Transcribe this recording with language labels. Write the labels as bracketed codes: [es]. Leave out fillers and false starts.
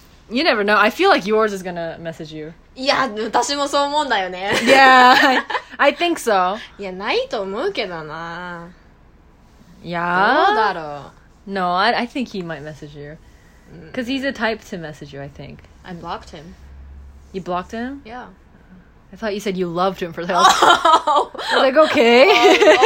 [en] You never know. I feel like yours is gonna message you. [ja] いや、私もそう思うんだよね。 [en] Yeah, I think so. [ja] いや、ないと思うけどな。 [en] Yeah. [ja] どうだろう。 [en] No, I think he might message you. Because he's a type to message you, I think. I blocked him. You blocked him? Yeah. I thought you said you loved him for the whole time. I was like, okay.